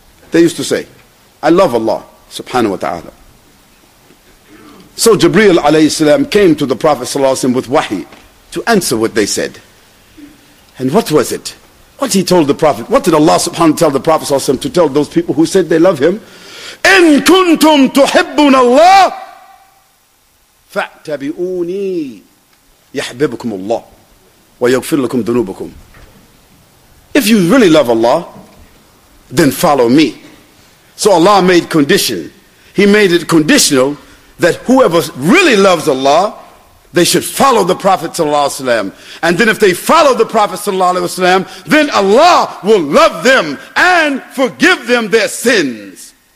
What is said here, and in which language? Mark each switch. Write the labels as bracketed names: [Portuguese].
[English] They used to say, I love Allah subhanahu wa ta'ala. So Jibreel alayhi salam came to the Prophet sallallahu alayhi wa sallam with wahi to answer what they said. And what was it? What he told the Prophet? What did Allah subhanahu wa ta'ala tell the Prophet sallallahu alayhi wa sallam to tell those people who said they love him? [Arabic] إِن كُنْتُمْ تُحِبُّونَ اللَّهِ فَأْتَبِعُونِي يَحْبِبُكُمُ اللَّهِ وَيَغْفِرْ لَكُمْ ذُنُوبَكُمْ. [English] If you really love Allah, then follow me. So Allah made condition. He made it conditional that whoever really loves Allah, they should follow the Prophet sallallahu alaihi wasallam. And then if they follow the Prophet sallallahu alaihi wasallam, then Allah will love them and forgive them their sins.